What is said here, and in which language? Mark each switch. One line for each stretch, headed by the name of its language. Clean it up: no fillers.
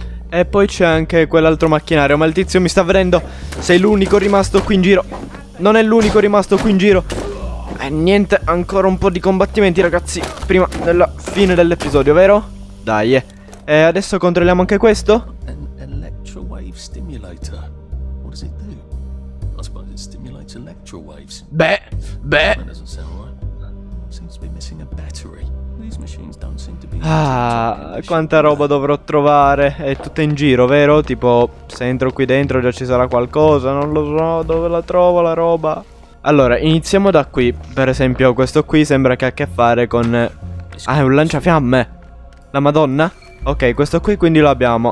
Italian: E poi c'è anche quell'altro macchinario. Ma il tizio mi sta vedendo. Sei l'unico rimasto qui in giro. Non è l'unico rimasto qui in giro. E niente, ancora un po' di combattimenti, ragazzi, prima della fine dell'episodio, vero? Dai. E adesso controlliamo anche questo.
English: An electrowave stimulator. What does it do? I suppose it stimulates electrowaves. Beh. That doesn't sound right. Seems to be missing a battery. These machines don't seem to be.
Italian: Ah, quanta roba dovrò trovare. È tutta in giro, vero? Tipo, se entro qui dentro già ci sarà qualcosa. Non lo so dove la trovo la roba. Allora, iniziamo da qui. Per esempio, questo qui sembra che ha a che fare con. Ah, è un lanciafiamme. La Madonna. Ok, questo qui quindi lo abbiamo.